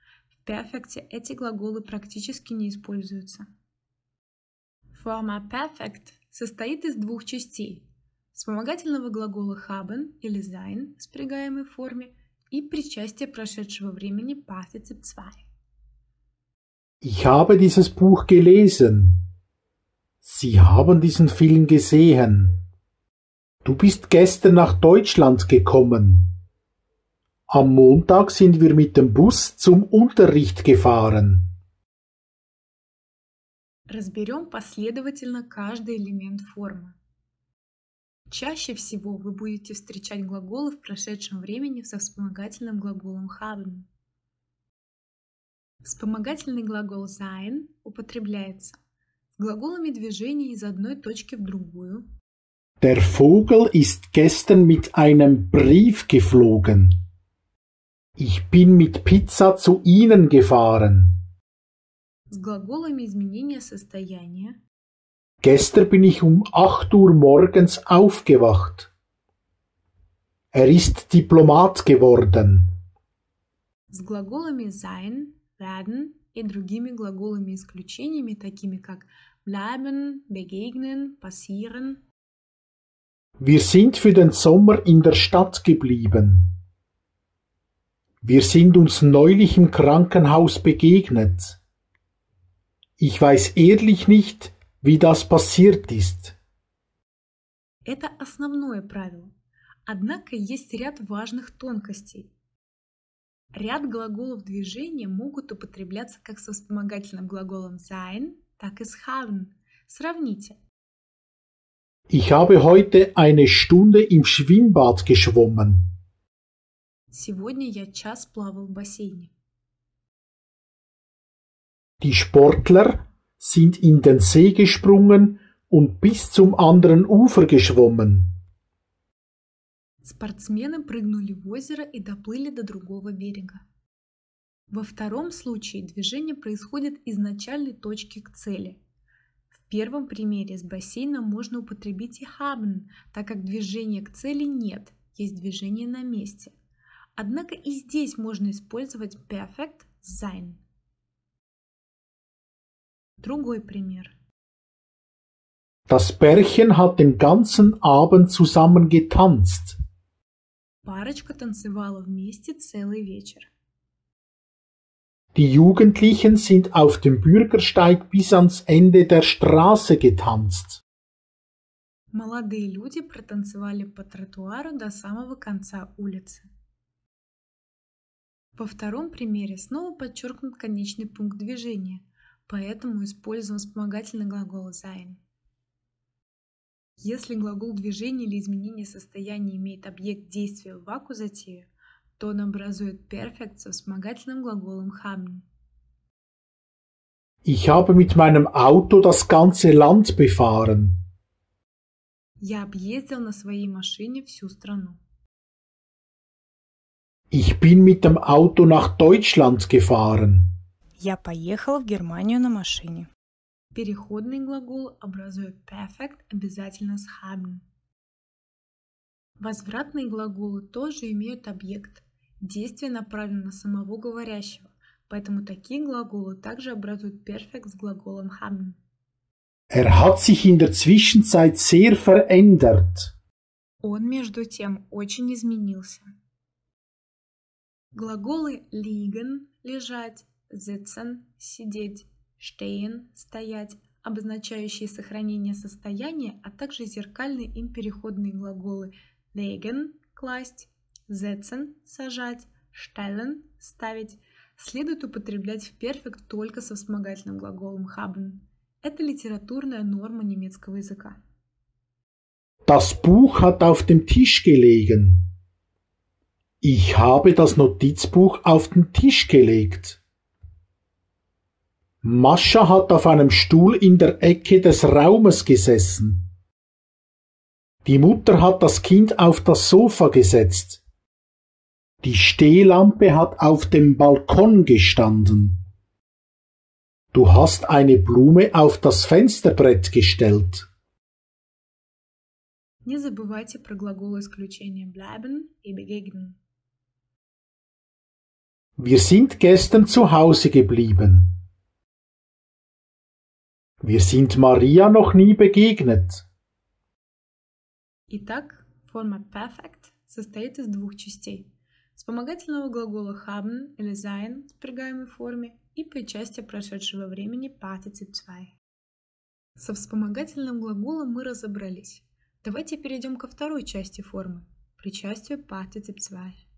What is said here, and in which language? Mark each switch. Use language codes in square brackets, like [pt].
[ru] В перфекте эти глаголы практически не используются. Форма perfect состоит из двух частей – вспомогательного глагола haben или sein в спрягаемой форме и причастия прошедшего времени Partizip 2. [de] Ich habe dieses Buch gelesen. Sie haben diesen Film gesehen. Du bist gestern nach Deutschland gekommen. Am Montag sind wir mit dem Bus zum Unterricht gefahren. [ru] Разберем последовательно каждый элемент формы. Чаще всего вы будете встречать глаголы в прошедшем времени со вспомогательным глаголом haben. Вспомогательный глагол sein употребляется с глаголами движения из одной точки в другую. [de] Der Vogel ist gestern mit einem Brief geflogen. Ich bin mit Pizza zu Ihnen gefahren. [ru] С глаголами изменения состояния. [de] Gestern bin ich um 8 Uhr morgens aufgewacht. Er ist Diplomat geworden. [ru] С глаголами sein, werden и другими глаголами-исключениями, такими как bleiben, begegnen, passieren. [de] Wir sind für den Sommer in der Stadt geblieben. Wir sind uns neulich im Krankenhaus begegnet. Ich weiß ehrlich nicht, wie das passiert ist. [ru] Это основное правило. Однако есть ряд важных тонкостей. Ряд глаголов движения могут употребляться как со вспомогательным глаголом sein, так и с haben. Сравните. [de] Ich habe heute eine Stunde im Schwimmbad geschwommen. [ru] Сегодня я час плавал в бассейне. [de] Die Sportler sind in den See gesprungen und bis zum anderen Ufer geschwommen. [ru] Спортсмены прыгнули в озеро и доплыли до другого берега. Во втором случае движение происходит из начальной точки к цели. В первом примере с бассейном можно употребить и haben, так как движения к цели нет, есть движение на месте. Однако и здесь можно использовать perfect sein. Другой пример. [de] Das Pärchen hat den ganzen Abend zusammen getanzt. [ru] Парочка танцевала вместе целый вечер. [de] Die Jugendlichen sind auf dem Bürgersteig bis ans Ende der Straße getanzt. [ru] Молодые люди протанцевали по тротуару до самого конца улицы. Во втором примере снова подчеркнут конечный пункт движения. Поэтому используем вспомогательный глагол sein. Если глагол движения или изменения состояния имеет объект действия в аккузативе, то он образует перфект со вспомогательным глаголом haben. [de] Ich habe mit meinem Auto das ganze Land befahren. [ru] Я объездил на своей машине всю страну. [de] Ich bin mit dem Auto nach Deutschland gefahren. [ru] Я поехал в Германию на машине. Переходный глагол образует perfect обязательно с haben. Возвратные глаголы тоже имеют объект. Действие направлено на самого говорящего, поэтому такие глаголы также образуют perfect с глаголом haben. [de] Er hat sich in der Zwischenzeit sehr verändert. [ru] Он между тем очень изменился. Глаголы liegen – лежать, sitzen – сидеть, stehen – стоять, обозначающие сохранение состояния, а также зеркальные им переходные глаголы legen – класть, setzen – сажать, stellen – ставить, следует употреблять в перфект только со вспомогательным глаголом haben. Это литературная норма немецкого языка. [de] Das Buch hat auf dem Tisch gelegen. Ich habe das Notizbuch auf den Tisch gelegt. Mascha hat auf einem Stuhl in der Ecke des Raumes gesessen. Die Mutter hat das Kind auf das Sofa gesetzt. Die Stehlampe hat auf dem Balkon gestanden. Du hast eine Blume auf das Fensterbrett gestellt. [ru] Не забывайте про глаголы исключения bleiben и begegnen. [de] Wir sind gestern zu Hause geblieben. Wir sind Maria noch nie begegnet. [ru] Итак, форма perfect состоит из двух частей. Вспомогательного глагола haben или sein в прилагаемой форме и причастия прошедшего времени participe 2. Со вспомогательным глаголом мы разобрались. Давайте перейдем ко второй части формы – причастию participe 2.